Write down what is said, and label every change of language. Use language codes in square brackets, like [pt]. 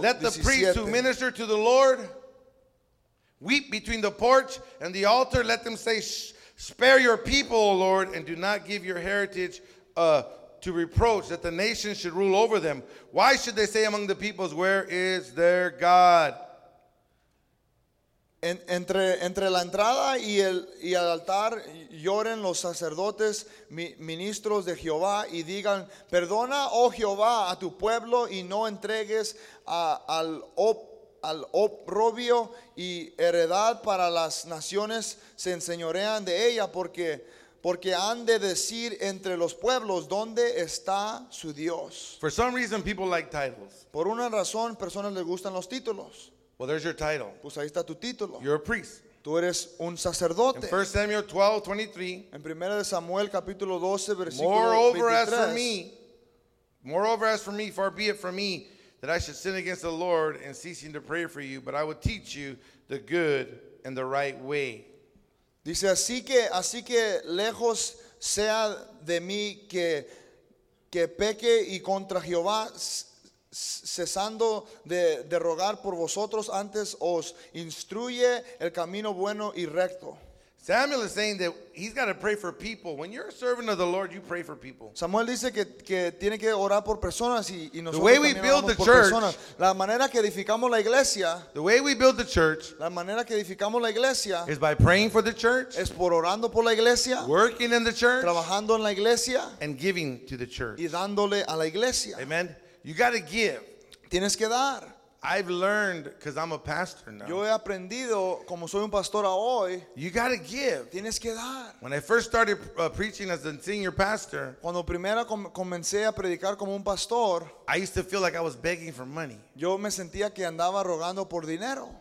[en] Let the priests who minister to the Lord weep between the porch and the altar. Let them say, "Spare your people, O Lord, and do not give your heritage to reproach, that the nations should rule over them. Why should they say among the peoples, 'Where is their God'?" [es] entre la entrada y el altar lloren los sacerdotes ministros de Jehová y digan perdona oh Jehová a tu pueblo y no entregues al oprobio y heredad para las naciones se enseñorean de ella porque han de decir entre los pueblos dónde está su Dios. [en] For some reason people like titles. [es] Por una razón personas les gustan los títulos. [en] Well, there's your title. [es] Pues ahí está tu título. [en] You're a priest. [es] Tú eres un sacerdote. [en] In 1 Samuel 12:23. [es] En Primera de Samuel capítulo 12 versículo 23. [en] Moreover as for me, far be it from me that I should sin against the Lord in ceasing to pray for you, but I would teach you the good and the right way. [es] Dice así que lejos sea de mí que peque y contra Jehová cesando de rogar por vosotros antes os instruye el camino bueno y recto. [en] Samuel is saying that he's got to pray for people. When you're a servant of the Lord, you pray for people. [es] Samuel dice que tiene que orar por personas y nosotros. [en] The way we build the church, [es] la manera que edificamos la iglesia. [en] The way we build the church, [es] la manera que edificamos la iglesia. [en] Is by praying for the church. [es] Es por orando por la iglesia. [en] Working in the church. [es] Trabajando en la iglesia. [en] And giving to the church. [es] Y dándole a la iglesia. [en] Amen. You got to give. [es] Tienes que dar. [en] I've learned because I'm a pastor now. [es] Yo he aprendido como soy un pastor hoy. [en] You got to give. [es] Tienes que dar. [en] When I first started preaching as a senior pastor, [es] cuando primero comencé a predicar como un pastor, [en] I used to feel like I was begging for money. [es] Yo me sentía que andaba rogando por dinero.